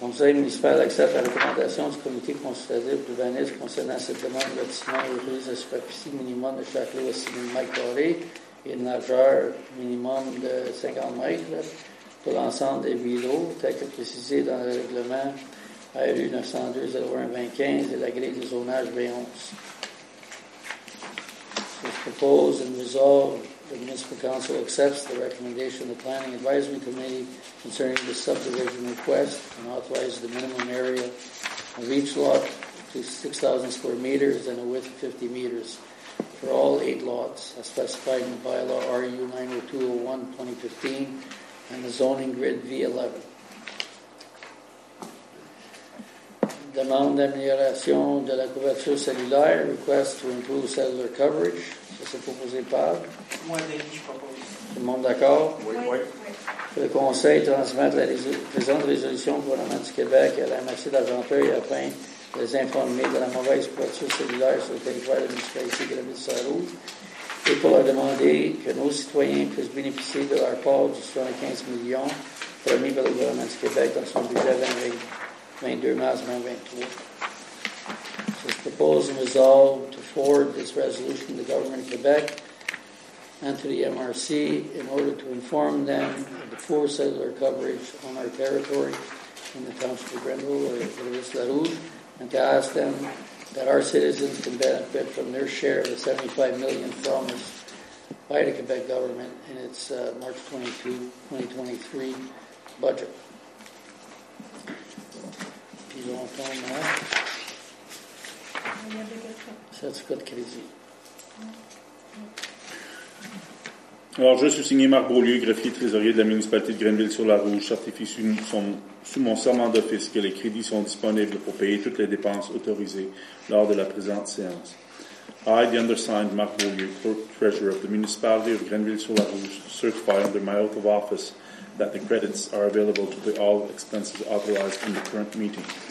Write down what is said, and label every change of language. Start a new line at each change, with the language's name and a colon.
French: conseil municipal accepte la recommandation du comité consultatif du Vanis concernant cette demande de lotissement et de superficie minimum de chaque lot à 6 000 mètres carrés et une largeur minimum de 50 mètres pour l'ensemble des 8 lots, tel que précisé dans le règlement ARU 902-01-2015 et la grille de zonage B11. Je propose une résolve.
English: The Municipal Council accepts the recommendation of the Planning Advisory Committee concerning the subdivision request and authorizes the minimum area of each lot to 6,000 square meters and a width of 50 meters for all 8 lots as specified in the bylaw RU 90201-2015 and the zoning grid V11.
French: Demande d'amélioration de la couverture cellulaire,
English: request to improve cellular coverage.
French: Ça, c'est proposé par? Moi, David, je propose. Tout le monde d'accord? Oui. Pour le conseil, transmettre la présente résolution au gouvernement du Québec à la MRC d'Argenteuil afin de les informer de la mauvaise couverture cellulaire sur le territoire de la municipalité de la ville de Saint-Rouge et pour leur demander que nos citoyens puissent bénéficier de leur part du 75 millions promis par le gouvernement du Québec dans son budget 22 mars 2023.
English: So it's proposed and resolved to forward this resolution to the Government of Quebec and to the MRC in order to inform them of the poor cellular coverage on our territory in the township of Grenville or the Ville de La Rouge, and to ask them that our citizens can benefit from their share of the $75 million promised by the Quebec government in its March 22, 2023 budget.
French: Ils ont entendu, hein? Il y a des questions. Certificat de crédit. Alors, je suis signé Marc Beaulieu, greffier trésorier de la municipalité de Grenville-sur-la-Rouge. Certifie sous mon serment d'office que les crédits sont disponibles pour payer toutes les dépenses autorisées lors de la présente séance.
English: I, the undersigned Marc Beaulieu, clerk treasurer of the municipality of Grenville-sur-la-Rouge, certify under my oath of office that the credits are available to pay all expenses authorized in the current meeting.